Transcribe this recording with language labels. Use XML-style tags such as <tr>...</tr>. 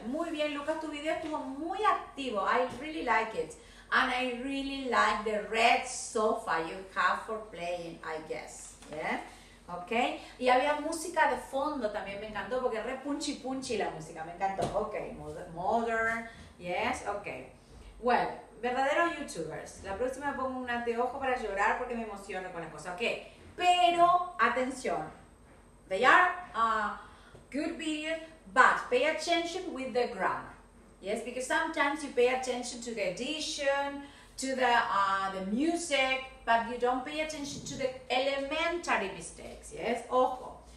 <es>Muy bien, Lucas, tu video estuvo muy activo.</es> <en>I really like it. And I really like the red sofa you have for playing, I guess. Yeah. Okay.</en> <es>Y había música de fondo también, me encantó, porque re punchy punchy la música, me encantó.</es> <en>Okay, modern, yes, okay. Well,</en> <es>verdaderos youtubers, la próxima me pongo un anteojo para llorar porque me emociono con las cosas, ok. Pero, atención,</es> <en>they are good videos, but pay attention with the grammar. Yes, because sometimes you pay attention to the edition, to the music, but you don't pay attention to the elementary mistakes, yes? Ojo.</en>